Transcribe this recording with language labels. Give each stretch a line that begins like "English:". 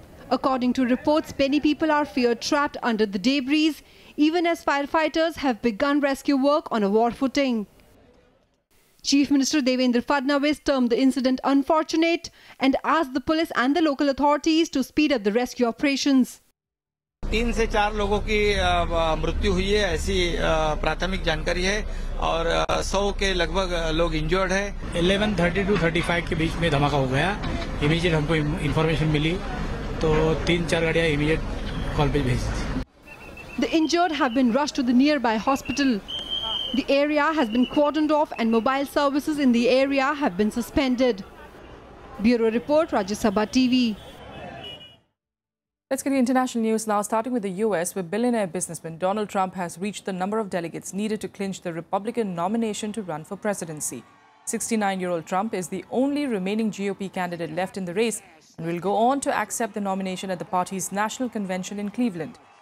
English: According to reports, many people are feared trapped under the debris, even as firefighters have begun rescue work on a war footing. Chief Minister Devendra Fadnavis termed the incident unfortunate and asked the police and the local authorities to speed up the rescue operations.
Hindi: 3 से 4 लोगों की मृत्यु हुई है ऐसी प्राथमिक जानकारी है और 100 के लगभग लोग इंजर्ड है. 11:30 to 35 के बीच में धमाका हो गया. इमीडिएट हमको इन्फॉर्मेशन मिली तो 3-4 गाड़ियां इमीडिएट कॉल पे भेजी थी.
English: The injured have been rushed to the near by hospital. The area has been कॉर्डन्ड of and mobile services in the area have been suspended.
Hindi: Bureau report Rajya Sabha TV.
English: Let's get to international news now, starting with the U.S., where billionaire businessman Donald Trump has reached the number of delegates needed to clinch the Republican nomination to run for presidency. 69-year-old Trump is the only remaining GOP candidate left in the race and will go on to accept the nomination at the party's national convention in Cleveland.